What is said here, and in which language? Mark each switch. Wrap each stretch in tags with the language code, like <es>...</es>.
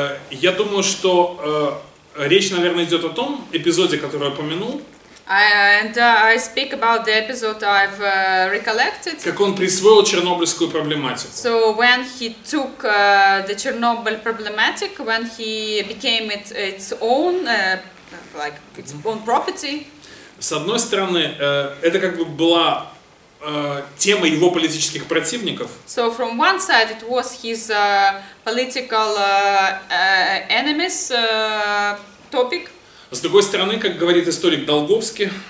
<ru>Я думаю, что речь, наверное, идет о том эпизоде, который я упомянул.</ru> <en>I speak about the episode I've recollected.</en> <ru>Как он присвоил чернобыльскую проблематику.</ru> <en>So when he took the Chernobyl problematic, when he became it its own, like its own property.</en> <ru>С одной стороны, это как бы была тема его политических противников.</ru> <en>So from one side it was his political enemies topic.</en> <ru>С другой стороны, как говорит историк Долговский,</ru>